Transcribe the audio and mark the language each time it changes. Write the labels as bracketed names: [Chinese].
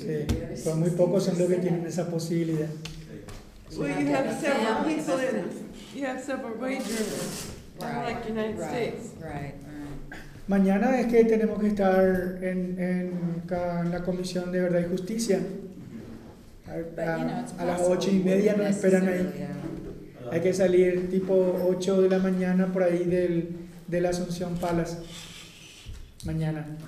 [Spanish] Sí, pero muy pocos son los que tienen esa posibilidad. Sí. [English] Well, you have several people in it. you have separate wage rules, unlike the United States. Right. [Spanish] Mañana es que tenemos que estar en la Comisión de Verdad y Justicia. A las 8:30 nos esperan ahí. Hay que salir tipo 8 de la mañana por ahí del Asunción Palace. Mañana.